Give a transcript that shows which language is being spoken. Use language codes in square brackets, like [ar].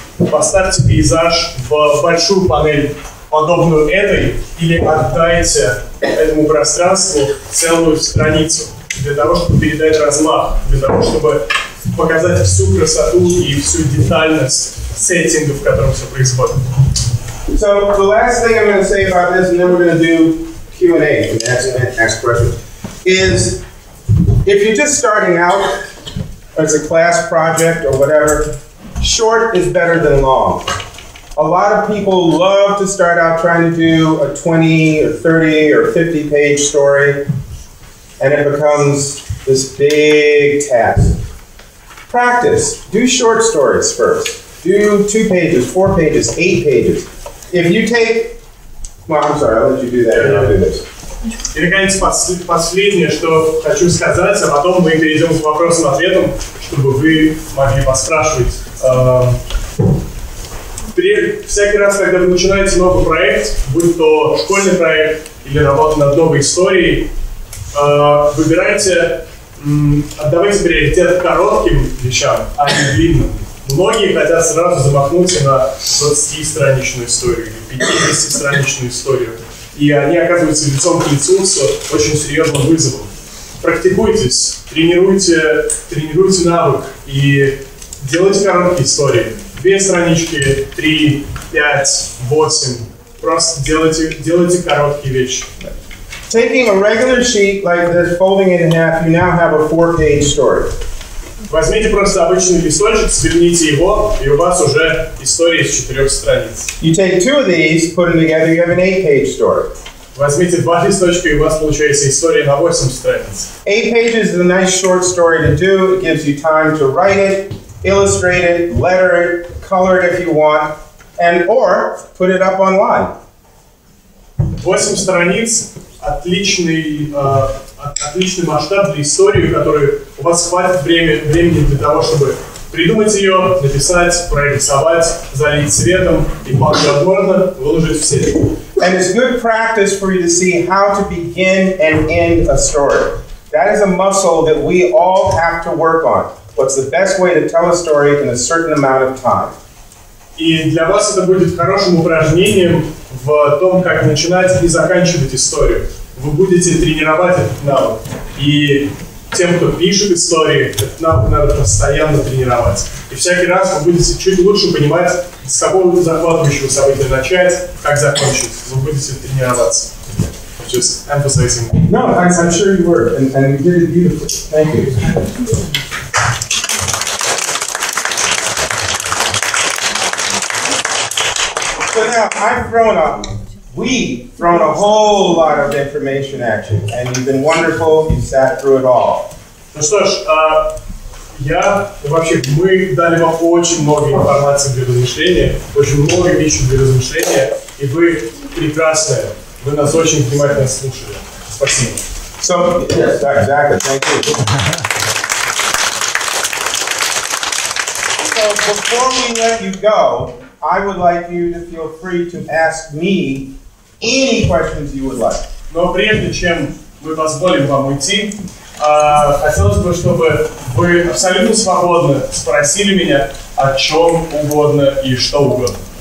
[ru] Поставьте пейзаж в большую панель, подобную этой, или отдайте этому пространству целую страницу для того, чтобы передать размах, для того, чтобы показать всю красоту и всю детальность сеттинга, в котором все происходит. [en] So, the last thing I'm going to say about this, and then we're going to do Q&A, ask questions, is if you're just starting out, as a class project or whatever, short is better than long. A lot of people love to start out trying to do a 20 or 30 or 50 page story, and it becomes this big task. Practice. Do short stories first. Do 2 pages, 4 pages, 8 pages. If you take, well, I'm sorry, I'll let you do that. I'll do this. [ru] И, наконец, последнее, что хочу сказать, а потом мы перейдем к вопросам-ответам, чтобы вы могли поспрашивать. Всякий раз, когда вы начинаете новый проект, будь то школьный проект или работа над новой историей, выбирайте, отдавайте приоритет коротким вещам, а не длинным. Многие хотят сразу замахнуться на 20-страничную историю или 50-страничную историю. И они оказываются лицом к лицу с очень серьезным вызовом. Практикуйтесь, тренируйте навык и делайте короткие истории. 2 странички, 3, 5, 8. Просто делайте короткие вещи. [en] Taking a regular sheet like this, folding it in half, you now have a 4-page story. [ru] Возьмите просто обычный листочек, сверните его, и у вас уже история из 4 страниц. [en] You take 2 of these, put them together, you have an 8-page story. [ru] Возьмите 2 листочка, и у вас получается история на 8 страниц. [en] 8 pages is a nice short story to do. It gives you time to write it, illustrate it, letter it, color it if you want, and or put it up online. [ru] 8 страниц – отличный масштаб для истории, которую у вас хватит времени для того, чтобы придумать ее, написать, прорисовать, залить цветом и подробно выложить в сеть. [en] And it's good practice for you to see how to begin and end a story. That is a muscle that we all have to work on. What's the best way to tell a story in a certain amount of time? [ru] И для вас это будет хорошим упражнением в том, как начинать и заканчивать историю. Вы будете тренировать этот навык. И тем, кто пишет истории, этот навык надо постоянно тренировать. И всякий раз вы будете чуть лучше понимать, с какого захватывающего события начать, как закончить. Вы будете тренироваться. [en] Just emphasizing. No, I'm sure you were, and you did it beautifully. Thank you. So now, I've grown up. We've thrown a whole lot of information at you, and you've been wonderful. You've sat through it all. [ru] Ну что ж, я и вообще мы дали вам очень много информации для размышления, очень много вещей для размышления, и вы прекрасные. Вы нас очень внимательно слушали. Спасибо. [en] So, yes, exactly. Thank you. So before we let you go, I would like you to feel free to ask me any questions you would like. [ru] Но прежде чем мы позволим вам уйти, хотелось бы, чтобы вы абсолютно свободно спросили меня о чем угодно и что угодно.